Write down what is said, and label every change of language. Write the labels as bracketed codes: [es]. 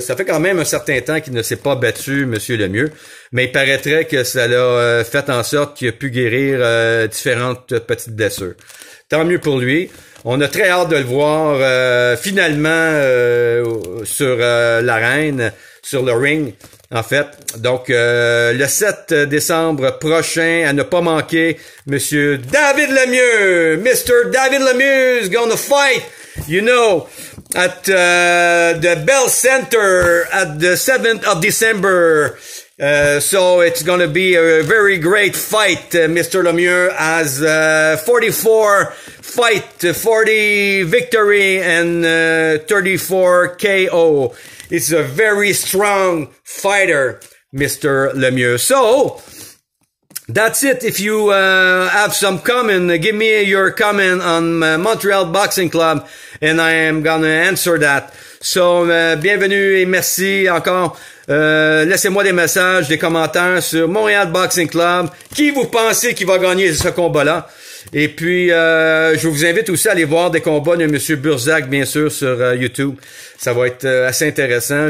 [fr] Ça fait quand même un certain temps qu'il ne s'est pas battu monsieur Lemieux, mais il paraîtrait que ça l'a fait en sorte qu'il a pu guérir différentes petites blessures. Tant mieux pour lui. On a très hâte de le voir finalement sur l'arène, sur le ring. En fait, donc le 7 décembre prochain, à ne pas manquer, monsieur David Lemieux, Mr. [en] David Lemieux is gonna fight, you know, at the Bell Center at the 7th of December. So it's gonna be a very great fight. Mr. Lemieux has 44 fight, 40 victory and 34 KO. It's a very strong fighter, Mr. Lemieux. So, that's it. If you have some comment, give me your comment on Montreal Boxing Club, and I am gonna answer that. [fr] So, bienvenue et merci encore. Laissez-moi des messages, des commentaires sur Montréal Boxing Club. Qui vous pensez qui va gagner ce combat-là? Et puis, je vous invite aussi à aller voir des combats de M. Bursak, bien sûr, sur YouTube. Ça va être assez intéressant.